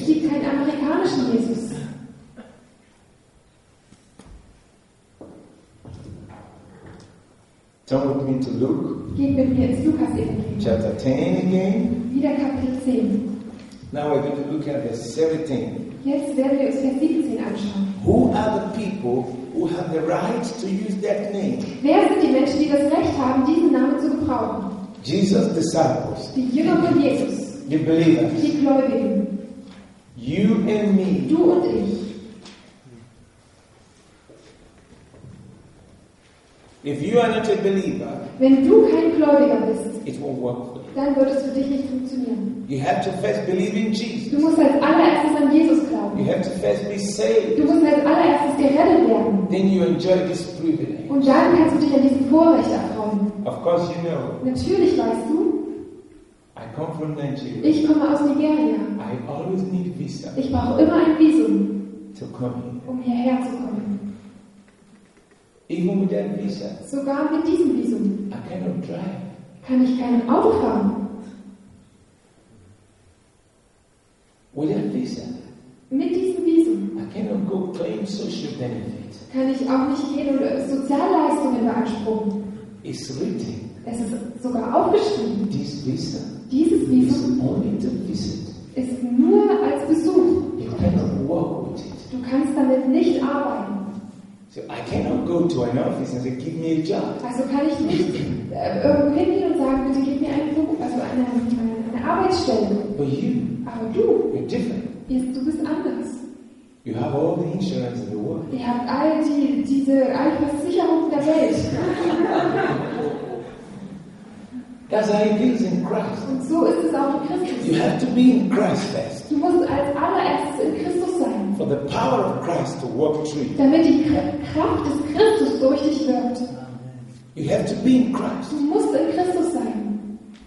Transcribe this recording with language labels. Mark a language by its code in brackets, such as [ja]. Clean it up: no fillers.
[de] Es gibt keinen amerikanischen Jesus. [en] Turn with me to Luke. [de] Geht mit mir ins Lukas-Evangelium. [en] Chapter 10 again. [de] Wieder Kapitel 10. [en] Now we're going to look at verse 17. [de] Jetzt werden wir uns Vers 17 anschauen. [en] Who are the people who have the right to use that name? [de] Wer sind die Menschen, die das Recht haben, diesen Namen zu gebrauchen? [en] Jesus disciples. [de] Die Jünger von Jesus. [en] The believers. [de] Die Gläubigen. [en] You and me. [de] Du und ich. [en] If you are not a believer, [de] wenn du kein Gläubiger bist, [en] it won't work for you. [de] Dann wird es für dich nicht funktionieren. [en] You have to first believe in Jesus. [de] Du musst als allererstes an Jesus glauben. [en] You have to first be saved. [de] Du musst als allererstes gerettet werden. [en] Then you enjoy this privilege. [de] Und dann kannst du dich an diesem Vorrecht erfreuen. [en] Of course you know. [de] Natürlich weißt du. [en] I come from Nigeria. [de] Ich komme aus Nigeria. [en] I always need a visa. [de] Ich brauche immer ein Visum, [en] to come here. [de] Um hierher zu kommen. [en] Even with that visa, [de] sogar mit diesem Visum, [en] I cannot drive. [de] Kann ich kein Auto fahren. [en] With that visa, [de] mit diesem Visum, [en] I cannot go claim social benefits. [de] Kann ich auch nicht jede Sozialleistung in Anspruch. [en] It's written. [de] Es ist sogar aufgeschrieben. [en] This visa. [de] Dieses Visum. [en] Is only to visit. [de] Ist nur als Besuch. [en] You cannot work with it. [de] Du kannst damit nicht arbeiten. [en] So I cannot go to an office and say, give me a job. [de] Also kann ich nicht hingehen und sagen, bitte gib mir einen Beruf, also eine Arbeitsstelle. [en] But you, [de] aber du, [en] you're different. [de] Du bist anders. [en] You have all the insurance in the world. [de] Ihr habt all die diese all Versicherungen der Welt. [en] That's how it is in Christ. [de] Und so ist es auch in Christus. [en] You have to be in Christ first. [de] Du musst als allererstes in Christus sein. [en] For the power of Christ to work through. [de] Damit die Kraft des Christus durch dich wirkt. [en] You have to be in Christ. [de] Du musst in Christus sein.